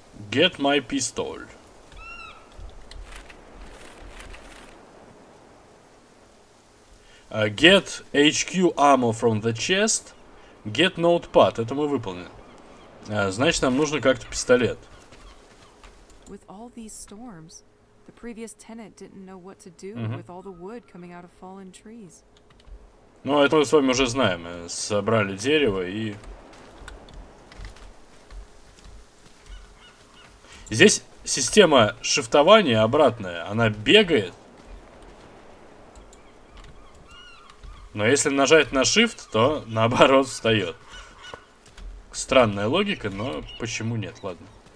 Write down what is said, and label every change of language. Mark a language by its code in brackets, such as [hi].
[en] Get my pistol. Get HQ ammo from the chest. Get notepad. [ru] Это мы выполнили. Значит, нам нужно как-то пистолет. [en] With all these storms, the previous tenant didn't know what to do with all the wood coming out of fallen trees. [ru] Ну, это мы с вами уже знаем. Собрали дерево и... Здесь система шифтования обратная. Она бегает. Но если нажать на shift, то наоборот встает. Странная логика, но почему нет, ладно.